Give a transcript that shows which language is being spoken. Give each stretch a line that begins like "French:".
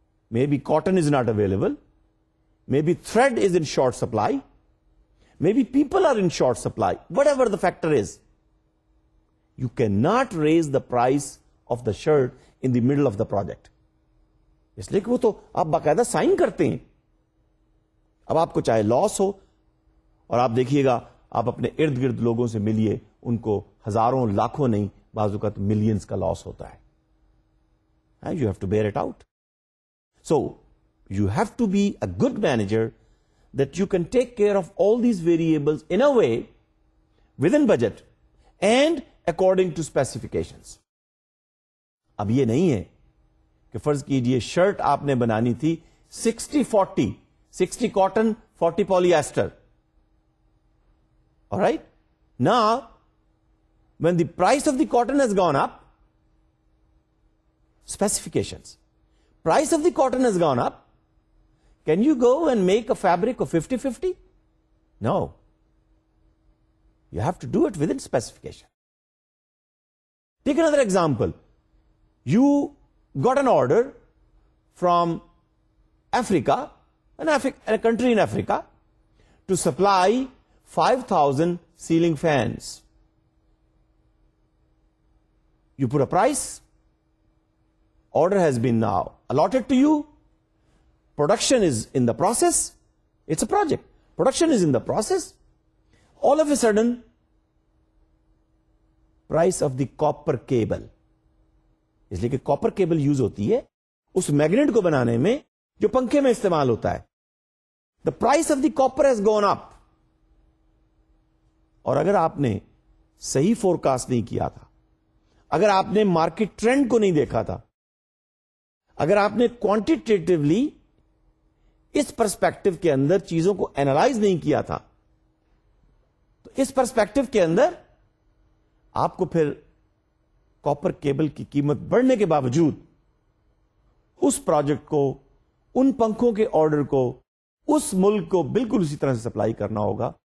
English: Maybe cotton is not available, maybe thread is in short supply, maybe people are in short supply, whatever the factor is, you cannot raise the price of the shirt in the middle of the project.
Urdu: اس لیے کہ وہ تو آپ باقاعدہ sign کرتے ہیں. اب آپ کو چاہے لاس ہو, اور آپ دیکھیے گا آپ اپنے ارد گرد لوگوں سے ملیے, ان کو ہزاروں لاکھوں نہیں بعض اوقات ملینز کا لاس ہوتا ہے.
English: You have to bear it out. So you have to be a good manager that you can take care of all these variables in a way within budget and according to specifications.
Urdu: اب یہ نہیں ہے کہ فرض کیجئے shirt آپ نے بنانی تھی 60-40,
English: 60 cotton 40 polyester. All right, now when the price of the cotton has gone up, specifications, price of the cotton has gone up, can you go and make a fabric of 50-50? No. You have to do it within specification. Take another example. You got an order from Africa, a country in Africa, to supply 5,000 ceiling fans. You put a price. Order has been now allotted to you. Production is in the process. It's a project. Production is in the process. All of a sudden, price of the copper cable.
Urdu: اس لیے کہ copper cable use ہوتی ہے اس magnet کو بنانے میں جو پنکھے میں استعمال ہوتا ہے.
English: The price of the copper has gone up.
Urdu: اور اگر آپ نے صحیح forecast نہیں کیا تھا, اگر آپ نے market trend کو نہیں دیکھا تھا, اگر آپ نے quantitatively اس پرسپیکٹو کے اندر چیزوں کو اینالائز نہیں کیا تھا, تو اس پرسپیکٹو کے اندر آپ کو پھر کاپر کیبل کی قیمت بڑھنے کے باوجود اس پروجیکٹ کو, ان پنکھوں کے آرڈر کو, اس ملک کو بالکل اسی طرح سے سپلائی کرنا ہوگا.